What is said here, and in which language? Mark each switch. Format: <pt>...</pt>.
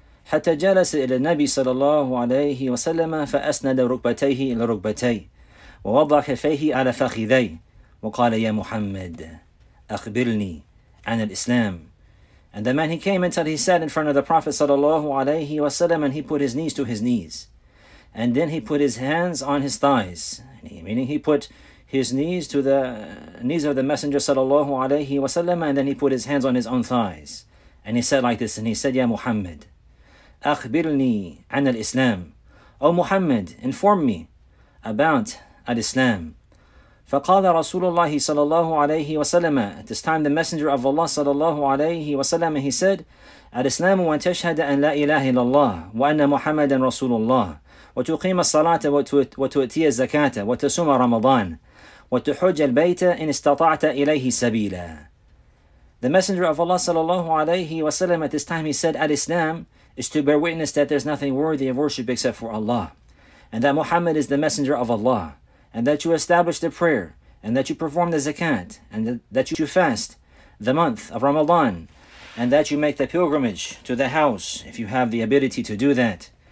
<ar>حتى جلس إلى النبي صلى الله عليه وسلم فأسند ركبتيه إلى ركبتي ووضع كفيه على فخذي وقال يا محمد أخبرني عن الإسلام.</ar> <en>And the man, he came until he sat in front of the Prophet صلى الله عليه وسلم, and he put his knees to his knees, and then he put his hands on his thighs, meaning he put his knees to the knees of the Messenger صلى الله عليه وسلم, and then he put his hands on his own thighs, and he said like this, and he said,</en> <ar>يا محمد أخبرني عن الإسلام,</ar> <en>O Muhammad, inform me about al-Islam.</en> <ar>فقال رسول الله صلى الله عليه وسلم,</ar> <en>at this time the Messenger of Allah صلى الله عليه وسلم, he said,</en> <ar>الإسلام أن تشهد أن لا إله إلا الله وأن محمدا رسول الله وتقيم الصلاة وتؤتي الزكاة وتصوم رمضان وتحج البيت إن استطعت إليه سبيلا.</ar> <en>The Messenger of Allah صلى الله عليه وسلم, at this time he said, al-Islam is to bear witness that there's nothing worthy of worship except for Allah, and that Muhammad is the Messenger of Allah, and that you establish the prayer, and that you perform the zakat, and that you fast the month of Ramadan, and that you make the pilgrimage to the house if you have the ability to do that.</en>